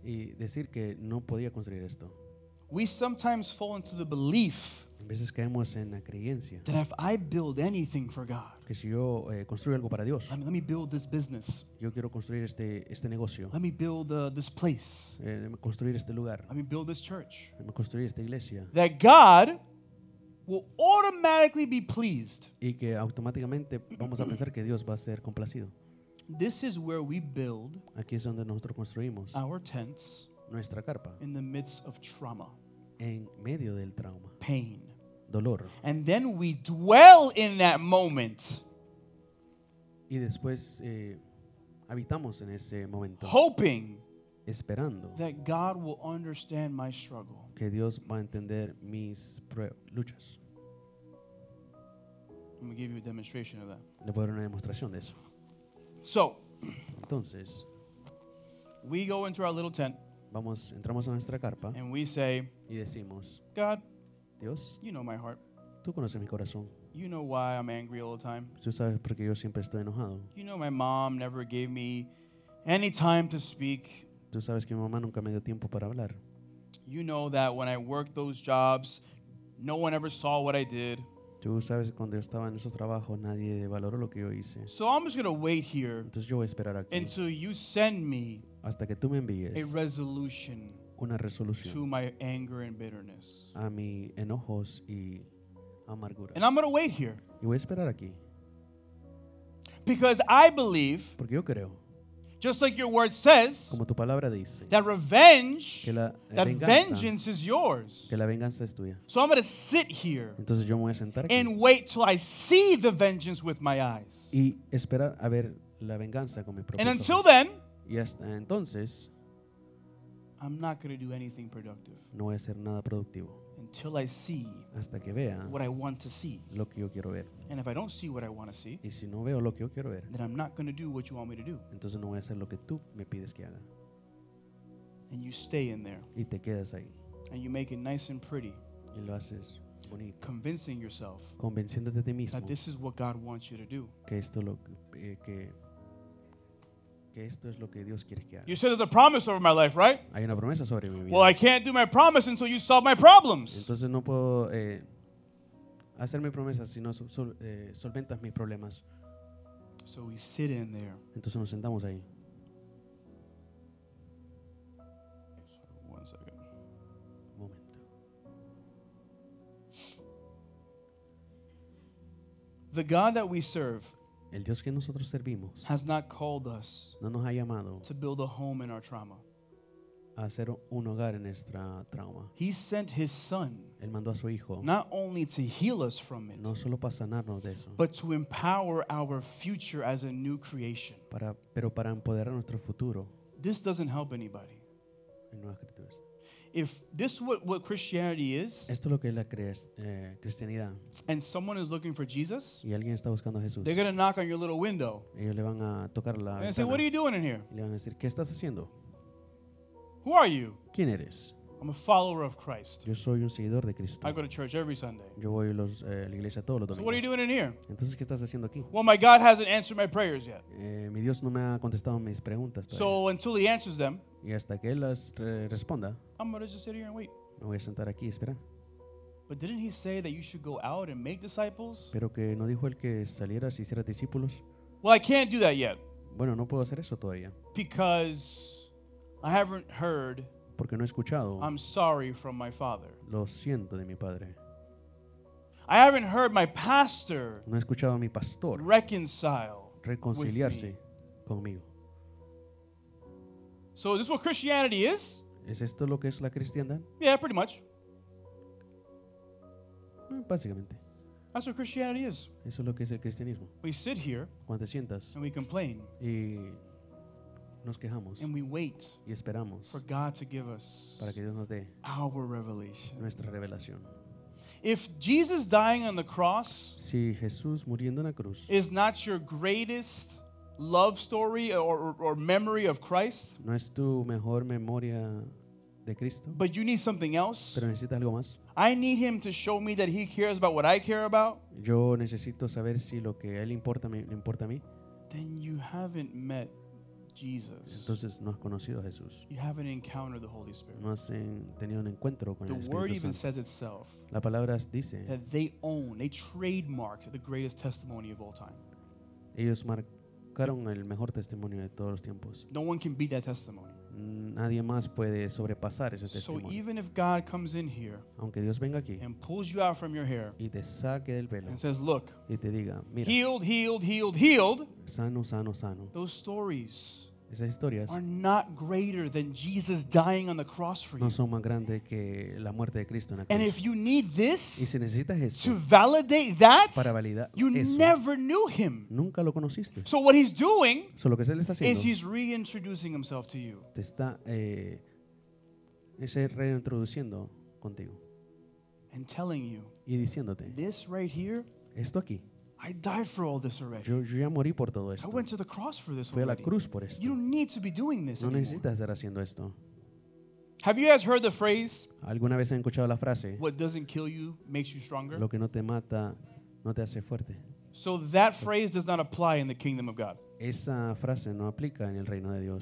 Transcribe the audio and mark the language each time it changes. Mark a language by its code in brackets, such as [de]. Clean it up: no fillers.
[es] Y decir que no podía construir esto. [en] We sometimes fall into the belief [es] en veces caemos en la creencia [en] that if I build anything for God, [es] que si yo construyo algo para Dios, [en] let me build this business. [es] Yo quiero construir este negocio. [en] Let me build this place. [es] Construir este lugar. [en] Let me build this church. Let me [es] construir esta iglesia. [en] That God will automatically be pleased. [es] Y que automáticamente vamos a pensar que Dios va a ser complacido. [en] This is where we build [es] aquí es donde nosotros construimos [en] our tents, [es] nuestra carpa, [en] in the midst of trauma, [es] en medio del trauma, [en] pain, [es] dolor. [en] And then we dwell in that moment. [es] Y después habitamos en ese momento, [en] hoping, [es] esperando, [en] that God will understand my struggle. [es] Que Dios va a entender mis luchas. [en] I'm going to give you a demonstration of that. [es] Le voy a dar una demostración de eso. [en] So, [es] entonces, [en] we go into our little tent. [es] Vamos, entramos a nuestra carpa. [en] And we say, [es] y decimos, [en] God, [es] Dios, [en] you know my heart. [es] Tú conoces mi corazón. [en] You know why I'm angry all the time. [es] Tú sabes por qué yo siempre estoy enojado. [en] You know my mom never gave me any time to speak. [es] Tú sabes que mi mamá nunca me dio tiempo para hablar. [en] You know that when I worked those jobs, no one ever saw what I did. [es] Tú sabes que cuando yo estaba en esos trabajos, nadie valoró lo que yo hice. [en] So I'm just going to wait here. [es] Entonces yo voy a esperar aquí. [en] Until you send me, [es] hasta que tú me envíes, [en] a resolution, [es] una resolución, [en] to my anger and bitterness, [es] a mi enojos y amargura. [en] And I'm going to wait here. [es] Y voy a esperar aquí. [en] Because I believe, [es] porque yo creo, [en] just like your word says, [es] como tu palabra dice, [en] that revenge, [es] que la [en] that [es] venganza, [en] vengeance is yours. [es] Que la venganza es tuya. [en] So I'm going to sit here, [es] entonces yo me voy a sentar aquí, [en] and wait till I see the vengeance with my eyes. [es] Y esperar a ver la venganza con mi propio [en] and [es] ojo. [en] Until then, [es] y hasta entonces, [en] I'm not going to do anything productive. [es] No voy a hacer nada productivo. [en] Until I see [es] hasta que vea [en] what I want to see. [es] Lo que yo quiero ver. [en] And if I don't see what I want to see, [es] y si no veo lo que yo quiero ver, [en] then I'm not going to do what you want me to do. [es] Entonces no voy a hacer lo que tú me pides que haga. [en] And you stay in there. [es] Y te quedas ahí. [en] And you make it nice and pretty. [es] Y lo haces bonito. [en] Convincing yourself, [es] convenciéndote de ti mismo, [en] that this is what God wants you to do. [es] Que esto lo que esto es lo que Dios quiere que haga. [en] You said there's a promise over my life, right? [es] Hay una promesa sobre mi vida. [en] Well, I can't do my promise until you solve my problems. [es] Entonces no puedo hacer mi promesa si no solventas mis problemas. [en] So we sit in there. [es] Entonces nos sentamos ahí. [en] One second. Moment. The God that we serve, [es] el Dios que nosotros servimos, [en] has not called us, [es] no nos ha llamado, [en] to build a home in our trauma, [es] a hacer un hogar en nuestra trauma. [en] He sent his son, [es] él mandó a su hijo, [en] not only to heal us from it, [es] no solo para sanarnos de eso, [en] but to empower our future as a new creation. [es] Pero para empoderar nuestro futuro. [en] This doesn't help anybody. [es] En nuevas criaturas. [en] If this what Christianity is, [es] esto es lo que es la cristianidad, [en] and someone is looking for Jesus, [es] y alguien está buscando a Jesús, [en] they're going to knock on your little window. [es] Ellos le van a tocar la ventana, [en] and say, what are you doing in here? [es] Y le van a decir, ¿qué estás haciendo? [en] Who are you? [es] ¿Quién eres? [en] I'm a follower of Christ. [es] Yo soy un seguidor de Cristo. [en] I go to church every Sunday. [es] Yo voy a la iglesia todos los domingos. [en] So what are you doing in here? [es] Entonces, ¿qué estás haciendo aquí? [en] Well, my God hasn't answered my prayers yet. [es] Mi Dios no me ha contestado mis preguntas todavía. [en] So until he answers them, [es] y hasta que él las responda, [en] I'm going to just sit here and wait. [es] Me voy a sentar aquí y esperar. [en] But didn't he say that you should go out and make disciples? [es] Pero que no dijo él que salieras y hicieras discípulos. [en] Well, I can't do that yet. [es] Bueno, no puedo hacer eso todavía. [en] Because I haven't heard. [es] Porque no he escuchado. [en] I'm sorry from my father. [es] Lo siento de mi padre. [en] I haven't heard my pastor. [es] No he escuchado a mi pastor. [en] Reconcile. [es] Reconciliarse conmigo. [en] So is this what Christianity is? [es] ¿Es esto lo que es la cristiandad? [en] Yeah, pretty much. [es] Básicamente. [en] That's what Christianity is. [es] Eso es lo que es el cristianismo. [en] We sit here. [es] Cuando te sientas. [en] And we complain. [es] Y nos quejamos. [en] And we wait. [es] Y esperamos. [en] For God to give us. [es] Para que Dios nos dé. [en] Our revelation. [es] Nuestra revelación. [en] If Jesus dying on the cross. [es] Si Jesús muriendo en la cruz. [en] Is not your greatest love story or memory of Christ. [es] No es tu mejor memoria de Cristo. [en] But you need something else. [es] Pero necesitas algo más. [en] I need him to show me that he cares about what I care about. [es] Yo necesito saber si lo que a él importa le importa a mí. [en] Then you haven't met Jesus. [es] Entonces no has conocido a Jesús. [en] You haven't encountered the Holy Spirit. [es] No has tenido un encuentro con el Espíritu Santo. [en] The word even says itself. [es] La palabra dice. [en] That they own, they trademarked the greatest testimony of all time. [es] Ellos marcaron el mejor testimonio de todos los tiempos. [en] No one can beat that testimony. [es] Nadie más puede sobrepasar ese testimonio. [en] So even if God comes in here, [es] aunque Dios venga aquí, [en] and pulls you out from your hair, [es] y te saque del pelo, [en] and says, "Look, [es] y te diga, mira, [en] healed, healed, healed, healed." [es] Sano, sano, sano. [en] Those stories, [es] esas historias, [en] are not greater than Jesus dying on the cross for you. [es] No son más grandes que la muerte de Cristo en la cruz. [en] And if you need this, [es] y si necesitas esto, [en] to validate that, [es] para validar [en] you [es] eso, [en] never knew him. [es] Nunca lo conociste. [en] So what he's doing, [es] so lo que él está haciendo, [en] is he's reintroducing himself to you. [es] Te está ese reintroduciendo contigo. [en] And telling you, [es] y diciéndote, [en] this right here, [es] esto aquí, [en] I died for all this already. [es] Yo ya morí por todo esto. [en] I went to the cross for this [es] Fui [en] already. [es] A la cruz por esto. [en] You don't need to be doing this [es] no necesitas estar haciendo esto. [en] Have you guys heard the phrase? [es] ¿Alguna vez han escuchado la frase? [en] What doesn't kill you makes you stronger. [es] Lo que no te mata no te hace fuerte. [en] So that phrase does not apply in the kingdom of God. [es] Esa frase no aplica en el reino de Dios.